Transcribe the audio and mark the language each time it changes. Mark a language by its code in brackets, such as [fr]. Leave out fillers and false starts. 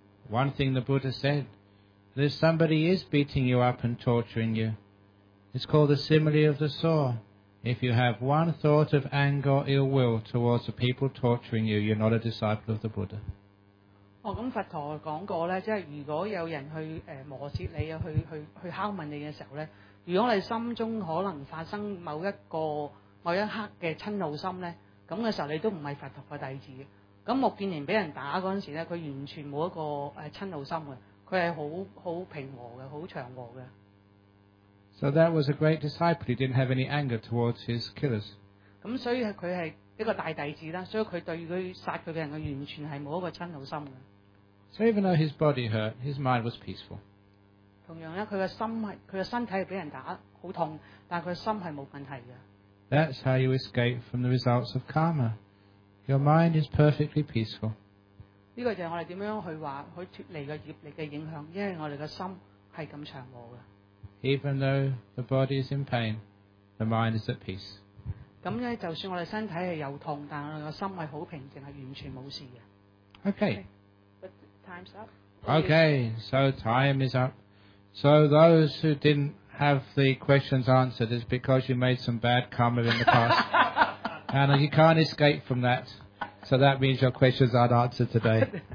[en] One thing the Buddha said: there's somebody is beating you up and torturing you. It's called the simile of the saw. If you have one thought of anger or ill will towards the people torturing you, you're not a disciple of the Buddha. [yue] 哦，咁佛陀講過咧，即係如果有人去磨蝕你啊，去敲問你嘅時候咧，如果你心中可能發生某一刻嘅嗔怒心咧，咁嘅時候你都唔係佛陀嘅弟子。咁木建連俾人打嗰陣時咧，佢完全冇一個嗔怒心嘅，佢係好平和嘅，好祥和嘅。 [en] So that was a great disciple. He didn't have any anger towards his killers. [yue] 咁所以佢係。一個大弟子啦，所以佢對佢殺佢嘅人，佢完全係冇一個嗔怒心嘅。 [en] So even though his body hurt, his mind was peaceful. [yue] 同樣咧，佢嘅身體係俾人打好痛，但係佢心係冇問題嘅。 [en] That's how you escape from the results of karma. Your mind is perfectly peaceful. [yue] 呢個就係我哋點樣去話去脱離個業力嘅影響，因為我哋嘅心係咁祥和嘅。 [en] Even though the body is in pain, the mind is at peace. [yue] 咁咧，就算我哋身體係有痛，但係我個心係好平靜，係完全冇事嘅。 [en] Okay. But time's up. Okay, so time is up. So those who didn't have the questions answered is because you made some bad karma in the past, and you can't escape from that. So that means your questions aren't answered today.